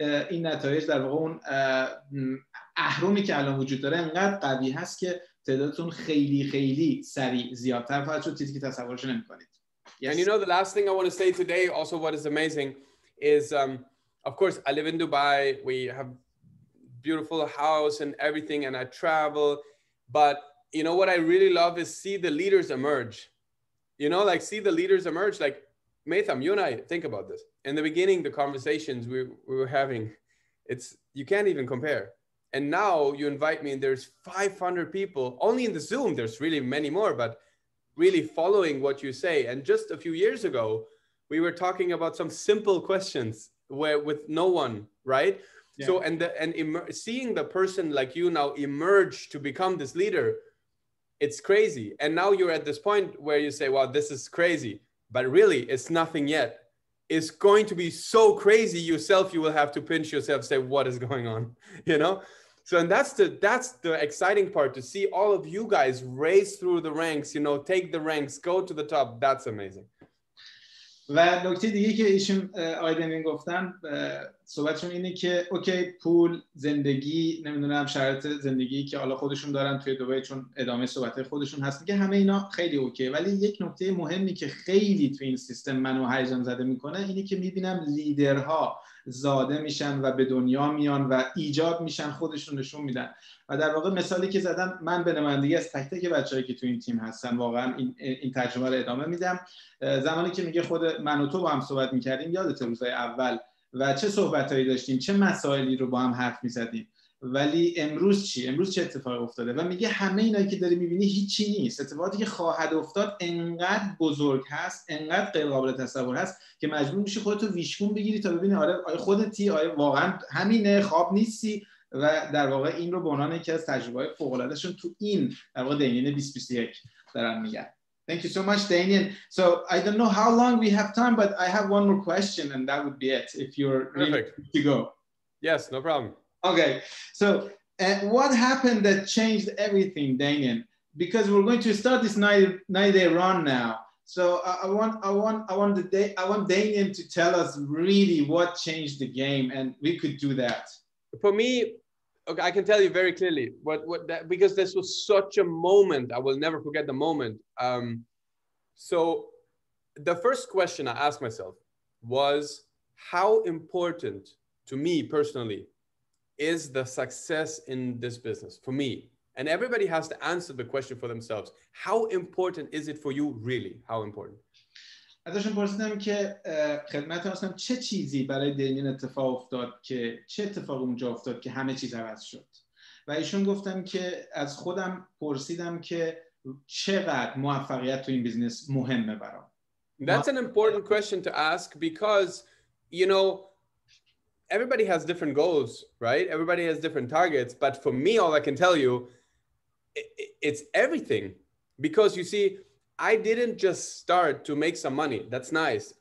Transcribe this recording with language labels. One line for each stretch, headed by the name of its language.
Persian: این نتایج در واقع اون اهرمی که الان وجود داره انقدر قوی هست که تعدادتون خیلی خیلی سریع زیادتر خواهد شد چیزی که تصورش نمی‌کنید
English: یعنی no the last thing I want to see today also what is amazing is of course I live in Dubai we have beautiful house and everything and I travel but You know what I really love is see the leaders emerge. You know, like see the leaders emerge. Like, Maytham, you and I think about this. In the beginning, the conversations we were having, it's you can't even compare. And now you invite me and there's 500 people, only in the Zoom, there's really many more, but really following what you say. And just a few years ago, we were talking about some simple questions where with no one, right? Yeah. So, seeing the person like you now emerge to become this leader, It's crazy. And now you're at this point where you say, well, this is crazy, but really it's nothing yet. It's going to be so crazy yourself. You will have to pinch yourself, say, what is going on? You know? So, and that's the exciting part to see all of you guys race through the ranks, you know, take the ranks, go to the top. That's amazing.
Persian: و نکته دیگه که ایشون آیدنین گفتن صحبتشون اینه که اوکی پول زندگی نمیدونم شرط زندگی که حالا خودشون دارن توی دبی چون ادامه صحبته خودشون هست دیگه همه اینا خیلی اوکی ولی یک نکته مهمی که خیلی توی این سیستم منو هیجان زده میکنه اینه که میبینم لیدرها زاده میشن و به دنیا میان و ایجاد میشن خودشون نشون میدن و در واقع مثالی که زدم من به نمایندگی از تک تک بچه‌ای که تو این تیم هستن واقعا این تجربه رو ادامه میدم زمانی که میگه خود من و تو با هم صحبت میکردیم یادت روزهای اول و چه صحبتایی داشتیم چه مسائلی رو با هم حرف میزدیم ولی امروز چی امروز چه اتفاقی افتاده و میگه همه اینایی که داری میبینی هیچی نیست اتفاقاتی که خواهد افتاد انقدر بزرگ هست انقدر غیر قابل تصور هست که مجبور میشی خودت رو ویشگون بگیری تا ببینی آره آیا خودتی آیا واقعا همینه خواب نیستی و در واقع این رو به عنوان یکی از تجربه های فوق العاده شون تو این در واقع دنیل 2021 دارن میگن
English: Thank you so much, Daniel. So I don't know how long we have time, but I have one more question and that would be it if you're Perfect. Ready to go. Yes, no problem. Okay, so what happened that changed everything, Daniel? Because we're going to start this 90-day run now. So I want Daniel to tell us really what changed the game, and we could do that. For me, okay, I can tell you very clearly what that because this was such a moment. I will never forget the moment. So the first question I asked myself was how important to me personally. Is the success in this business for me? And everybody has to answer the question for themselves. How important is it for you, really? How important?
Persian: ازشون پرسیدم که خدمت هستم چه چیزی برای دنیل اتفاق افتاد که چه اتفاق اونجا افتاد که همه چیز عوض شد؟ و ایشون گفتم که از خودم پرسیدم که چقدر موفقیت تو این بیزنس مهمه برام؟
English: That's an important question to ask because, you know, Everybody has different goals, right? Everybody has different targets. But for me, all I can tell you, it's everything. Because you see, I didn't just start to make some money. That's nice.